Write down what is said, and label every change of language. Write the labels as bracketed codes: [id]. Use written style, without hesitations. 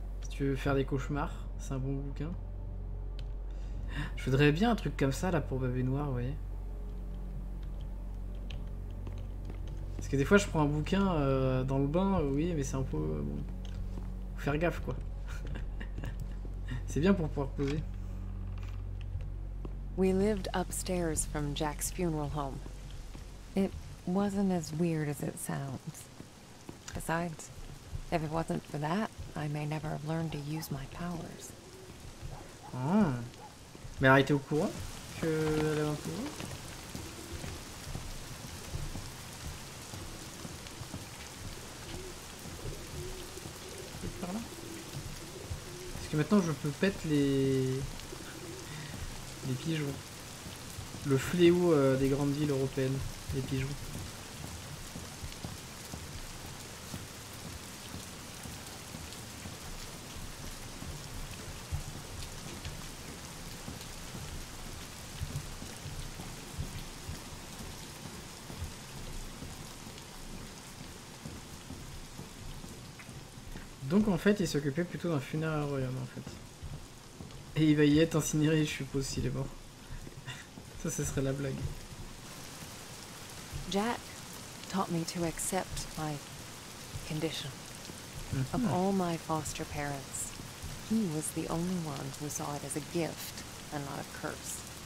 [fr] Tu veux faire des cauchemars, c'est un bon bouquin. Je voudrais bien un truc comme ça là pour Bébé Noir, vous voyez. Parce que des fois je prends un bouquin dans le bain, oui, mais c'est un peu. Bon. Faut faire gaffe quoi. C'est bien pour pouvoir poser. [en] We lived upstairs from Jack's funeral home. It wasn't as weird as it sounds. Besides, if it wasn't for that. I may never have learned to use my powers. Ah. [fr] Mais elle était au courant qu'elle avait un pouvoir. Parce que maintenant je peux pète les pigeons. Le fléau des grandes villes européennes, les pigeons. Donc en fait, il s'occupait plutôt d'un funérailles royaume en fait. Et il va y être incinéré, je suppose, s'il est mort. Ça, ce serait la blague. [en] Jack taught me to accept my condition. Of all my foster parents, he was the only one who saw it as a gift and not a curse.